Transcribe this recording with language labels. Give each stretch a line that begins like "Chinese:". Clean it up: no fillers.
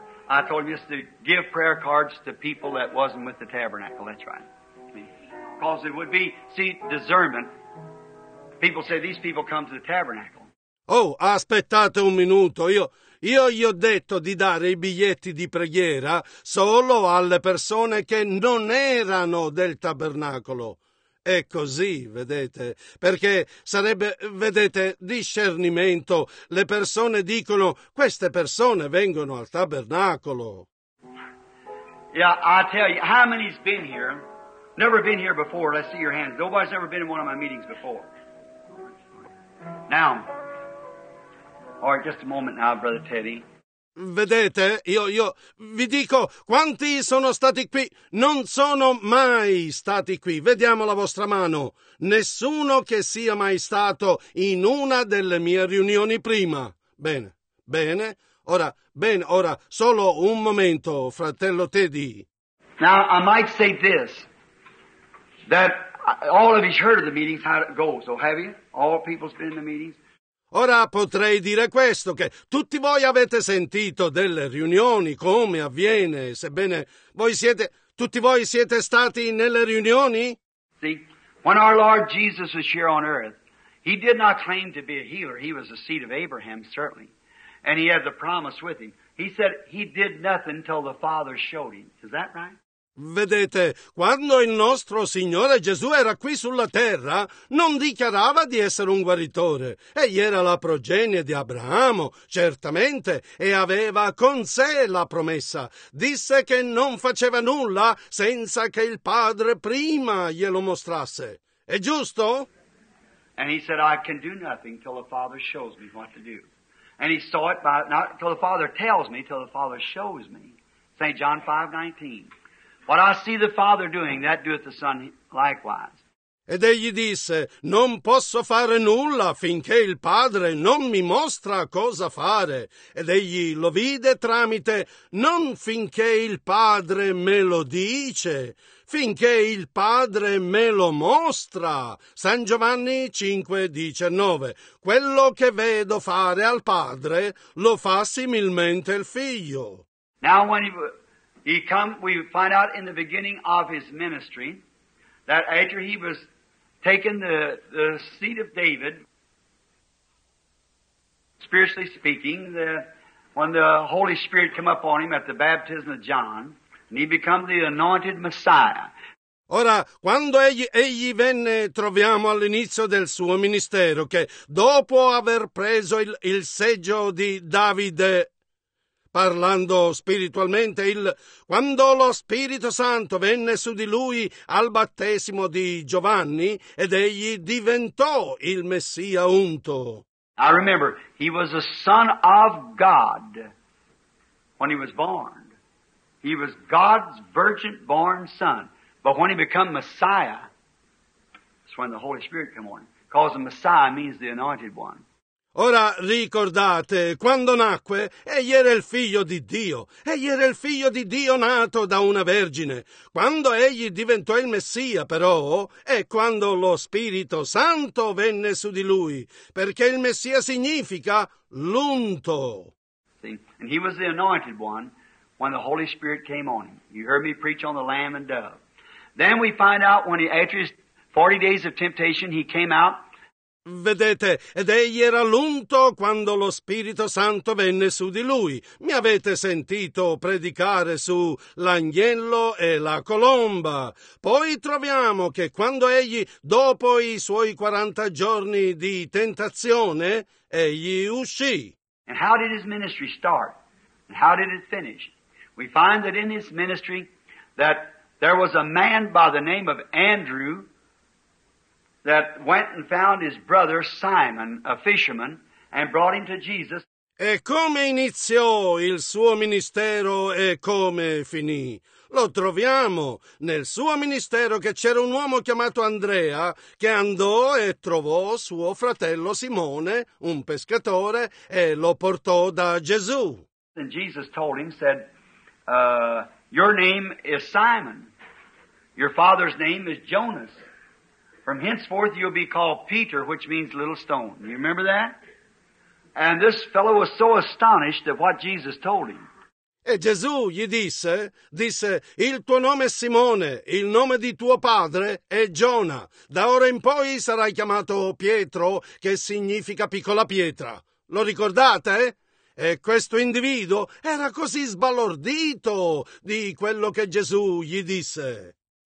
English: I told you to give prayer cards to people that wasn't with the tabernacle, that's right. Because it would be, see, discernment. People say these people come to the tabernacle.
Italian: Oh, aspettate un minuto, io gli ho detto di dare i biglietti di preghiera solo alle persone che non erano del tabernacolo. È così, vedete, perché sarebbe, vedete, discernimento. Le persone dicono, queste persone vengono al tabernacolo.
English: Yeah, I tell you, how many's been here? Never been here before, let's see your hands. Nobody's ever been in one of my meetings before. Now... All right, just a moment now, Brother Teddy.
Italian: Vedete, io vi dico, quanti sono stati qui? Non sono mai stati qui. Vediamo la vostra mano. Nessuno che sia mai stato in una delle mie riunioni prima. Bene, bene. Ora, solo un momento, fratello Teddy.
English: Now, I might say this, that all of you heard of the meetings, how it goes, so have you? All people's been in the meetings?
Italian: Ora potrei dire questo, che tutti voi avete sentito delle riunioni, come avviene, sebbene voi siete, tutti voi siete stati nelle riunioni?
English: See, when our Lord Jesus was here on earth, he did not claim to be a healer, he was the seed of Abraham, certainly, and he had the promise with him. He said he did nothing till the Father showed him, is that right?
Italian: Vedete, quando il nostro Signore Gesù era qui sulla terra, non dichiarava di essere un guaritore. Egli era la progenie di Abramo, certamente, e aveva con sé la promessa. Disse che non faceva nulla senza che il Padre prima glielo mostrasse. È giusto?
English: And he said, I can do nothing till the Father shows me what to do. And he saw it by, not till the Father tells me, till the Father shows me. St. John 5:19. What I see the Father doing, that doeth the Son likewise.
Italian: Ed egli disse, non posso fare nulla finché il Padre non mi mostra cosa fare. Ed egli lo vide tramite, non finché il Padre me lo dice, finché il Padre me lo mostra. San Giovanni 5:19. Quello che vedo fare al Padre, lo fa similmente il Figlio.
English: Now when he... He come, we find out in the beginning of his ministry that after he was taken the seat of David, spiritually speaking, when the Holy Spirit came upon him at the baptism of John, and he became the anointed Messiah.
Italian: Ora, quando egli venne, troviamo all'inizio del suo ministero, che dopo aver preso il seggio di Davide, parlando spiritualmente, quando lo Spirito Santo venne su di lui al battesimo di Giovanni, ed egli diventò il Messia unto.
English: I remember, he was a son of God when he was born. He was God's virgin born son. But when he became Messiah, that's when the Holy Spirit came on. Because the Messiah means the anointed one.
Italian: Ora ricordate, quando nacque, egli era il figlio di Dio. Egli era il figlio di Dio nato da una vergine. Quando egli diventò il Messia, però, è quando lo Spirito Santo venne su di lui. Perché il Messia significa l'unto.
English: And he was the anointed one when the Holy Spirit came on him. You heard me preach on the lamb and dove. Then we find out when he, after his 40 days of temptation, he came out.
Italian: Vedete, ed egli era l'unto quando lo Spirito Santo venne su di lui. Mi avete sentito predicare su l'agnello e la colomba. Poi troviamo che quando egli, dopo i suoi 40 giorni di tentazione, egli uscì.
English: And how did his ministry start? And how did it finish? We find that in his ministry that there was a man by the name of Andrew that went and found his brother Simon, a fisherman, and brought him to Jesus.
Italian: E come iniziò il suo ministero e come finì? Lo troviamo nel suo ministero che c'era un uomo chiamato Andrea che andò e trovò suo fratello Simone, un pescatore, e lo portò da Gesù.
English: And Jesus told him, said, your name is Simon. Your father's name is Jonas. From henceforth you'll be called Peter, which means little stone. You remember that? And this fellow was so astonished at what Jesus told him.
Italian: E Gesù gli disse, il tuo nome è Simone, il nome di tuo padre è Giona. Da ora in poi sarai chiamato Pietro, che significa piccola pietra. Lo ricordate? E questo individuo era così sbalordito di quello che Gesù gli disse.